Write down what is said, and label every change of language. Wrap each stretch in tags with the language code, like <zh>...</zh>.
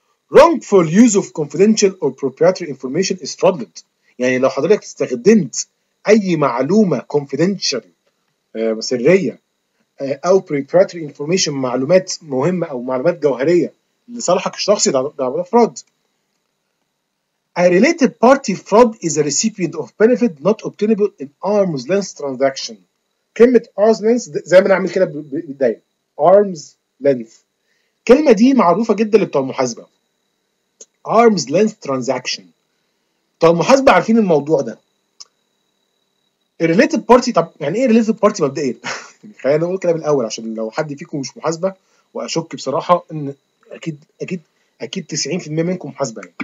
<en>wrongful use of confidential or proprietary information is fraudulent.</en> <ar>يعني لو حضرتك استخدمت اي معلومه confidential سريه او</ar> <en>proprietary information</en> <ar>معلومات مهمه او معلومات جوهريه لصالحك الشخصي ده فراد.</ar> <en>A related party fraud is a recipient of benefit not obtainable in arm's length transaction.</en> <ar>كلمة arm's length زي ما نعمل كده بداية.</ar> <en>Arm's length.</en> <ar>كلمة دي معروفة جدا لبتوع المحاسبة.</ar> <en>Arm's length transaction.</en> <ar>طب المحاسبة عارفين الموضوع ده.</ar> <en>A related party.</en> <ar>طب يعني ايه related party مبدئيا؟ خلينا نقول كده بالاول عشان لو حد فيكم مش محاسبة واشك بصراحة ان اكيد اكيد اكيد 90% منكم محاسبة يعني.</ar>